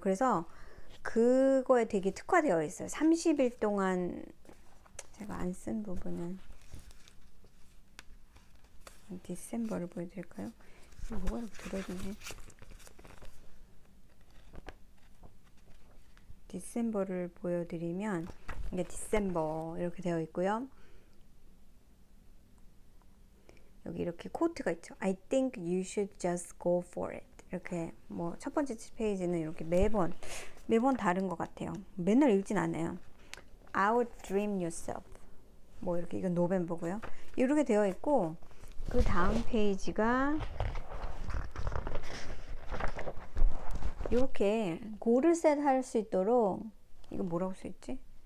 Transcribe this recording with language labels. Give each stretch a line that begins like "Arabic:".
Korean: 그래서 그거에 되게 특화되어 있어요. 30일 동안 제가 안쓴 부분은 디셈버를 보여드릴까요? 뭐가 이렇게 들어있네. 디셈버를 보여드리면 이게 디셈버 이렇게 되어 있고요. 여기 이렇게 코트가 있죠.
English: I think you should just go for it.
Korean: 이렇게 뭐첫 번째 페이지는 이렇게 매번 다른 것 같아요. 맨날 읽진 않아요.
English: Outdream yourself.
Korean: 뭐 이렇게 이건 노벤버고요. 이렇게 되어 있고 그 다음 페이지가 이렇게 골을 셋할수 있도록 이거 뭐라고 써 있지?